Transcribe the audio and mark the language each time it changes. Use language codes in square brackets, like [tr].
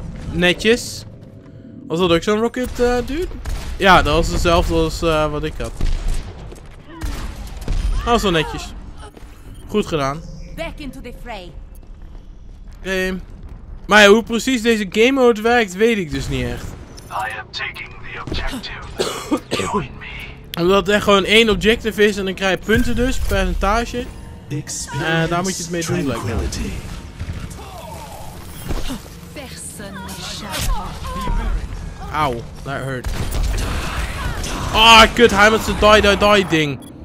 [nl] Netjes. Was dat ook zo'n rocket, dude? Ja, dat was dezelfde als wat ik had. Dat was wel netjes. Goed gedaan. [en] Back into the fray. Game. [nl] Maar ja, hoe precies deze game mode werkt, weet ik dus niet echt. [en] I am taking the objective. Join me. [nl] Omdat het echt gewoon één objective is en dan krijg je punten dus, percentage. En daar moet je het mee doen, lijkt me. Auw, dat hurt. Ah, oh, kut, hij met zijn die ding.